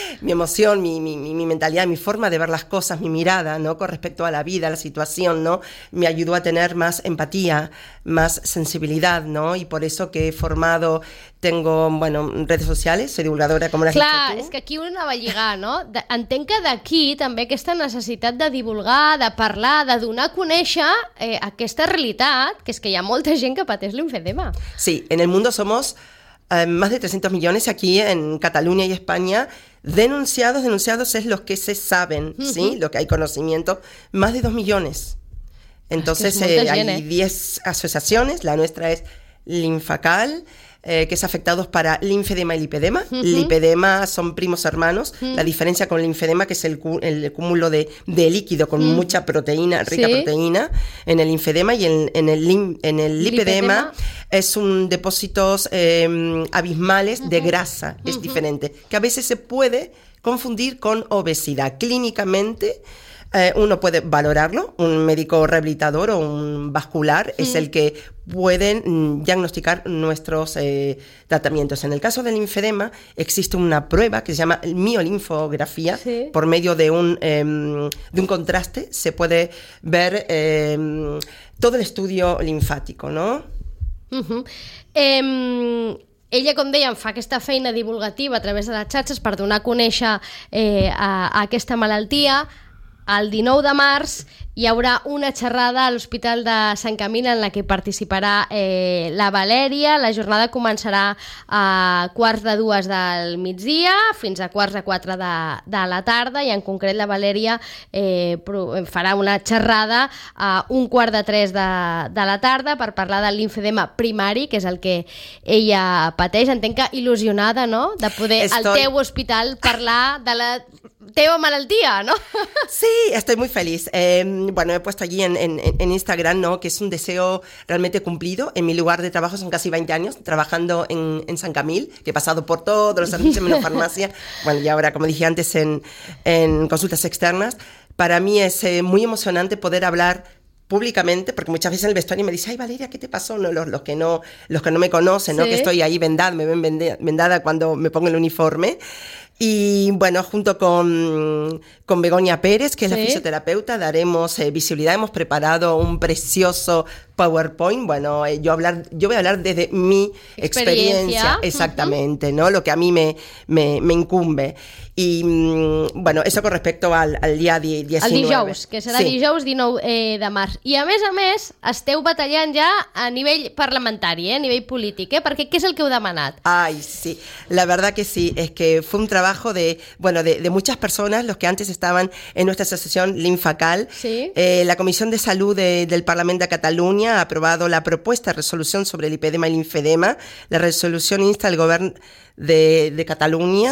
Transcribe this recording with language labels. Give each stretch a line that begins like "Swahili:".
Spanish: Mi emoción, mi mentalidad, mi forma de ver las cosas, mi mirada, ¿no? Con respecto a la vida, a la situación, ¿no? Me ayudó a tener más empatía, más sensibilidad, ¿no? Y por eso que he formado, tengo, bueno, redes sociales, soy divulgadora, como la gente. Claro, es que aquí una va a llegar, ¿no?
Catalan: Entenc que d'aquí també aquesta necessitat de divulgar, de parlar, de donar a conèixer aquesta realitat, que és que hi ha molta gent que pateix l'infedema.
Spanish: Sí, en el mundo somos más de 300 millones, aquí en Cataluña y España, denunciados es los que se saben, ¿sí? Lo que hay conocimiento, más de 2 millones. Entonces hay 10 asociaciones, la nuestra es Linfacal, que es afectados para linfedema y lipedema. Uh-huh. Lipedema son primos hermanos. Uh-huh. La diferencia con linfedema, que es el cúmulo de líquido con uh-huh. mucha proteína, rica ¿sí? proteína, en el linfedema y en el lipedema es un depósitos abismales uh-huh. de grasa. Uh-huh. Es diferente. Que a veces se puede confundir con obesidad. Clínicamente, uno puede valorarlo, un médico rehabilitador o un vascular es el que pueden diagnosticar nuestros tratamientos. En el caso del linfedema, existe una prueba que se llama miolinfografía. Sí. Por medio de un contraste se puede ver todo el estudio linfático, ¿no? Uh-huh.
Catalan: Ella, com dèiem, fa aquesta feina divulgativa a través de les xarxes per donar a conèixer a aquesta malaltia. El 19 de març hi haurà una xerrada a l'Hospital de Sant Camil en la que participarà la Valèria. La jornada començarà a quarts de dues del migdia fins a quarts de quatre de la tarda, i en concret la Valèria farà una xerrada a un quart de tres de la tarda per parlar de l'infedema primari, que és el que ella pateix. Entenc que il·lusionada, no?, de poder al teu hospital parlar de la... Teo malaltía, ¿no?
Spanish: Sí, estoy muy feliz. Bueno, he puesto allí en Instagram, ¿no?, que es un deseo realmente cumplido. En mi lugar de trabajo son casi 20 años trabajando en San Camil, que he pasado por todos los servicios de farmacia. Bueno, y ahora, como dije antes, en consultas externas. Para mí es muy emocionante poder hablar públicamente, porque muchas veces en el vestuario me dice, ay, Valeria, ¿qué te pasó? No, los que no me conocen, ¿no? Sí. Que estoy ahí vendada, me ven vendada cuando me pongo el uniforme. Y bueno, junto con Begoña Pérez, que es sí. la fisioterapeuta, daremos visibilidad. Hemos preparado un precioso PowerPoint. Bueno, yo voy a hablar desde mi experiencia exactamente, uh-huh. ¿no? Lo que a mí me incumbe. Y bueno, eso con respecto al día 19.
Catalan: El dijous, que serà sí. dijous 19 de març. I a més, esteu batallant ja a nivell parlamentari, a nivell polític, perquè què és el que heu demanat?
Spanish: Ai, sí, la verdad que sí, es que fue un trabajo de muchas personas, los que antes estaban en nuestra asociación Linfacal. Sí. La Comisión de Salud del Parlamento de Cataluña ha aprobado la propuesta de resolución sobre el lipedema y el linfedema. La resolución insta al gobierno de Cataluña.